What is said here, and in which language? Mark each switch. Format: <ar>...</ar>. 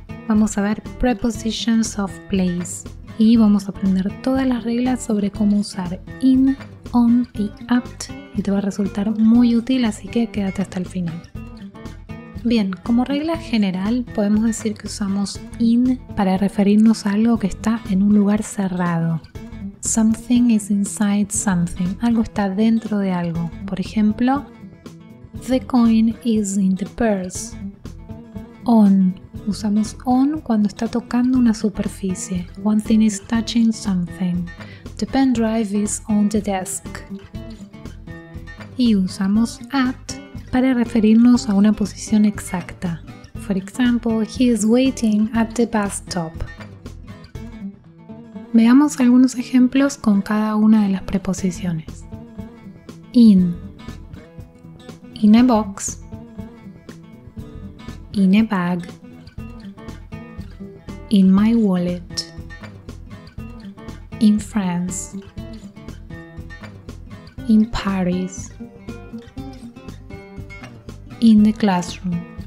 <es>Vamos a ver</es> <en>prepositions of place</en> <es>y vamos a aprender todas las reglas sobre cómo usar in, on y at, y te va a resultar muy útil, así que quédate hasta el final. Bien, como regla general, podemos decir que usamos in para referirnos a algo que está en un lugar cerrado.</es> <en>Something is inside something.</en> <es>Algo está dentro de algo. Por ejemplo,</es> <en>the coin is in the purse. On.</en> <es>Usamos on cuando está tocando una superficie.</es> <en>One thing is touching something. The pen drive is on the desk.</en> <es>Y usamos at para referirnos a una posición exacta.</es> <en>For example, he is waiting at the bus stop.</en> <es>Veamos algunos ejemplos con cada una de las preposiciones.</es> <en>In a box, in a bag, in my wallet, in France, in Paris, in the classroom.</en>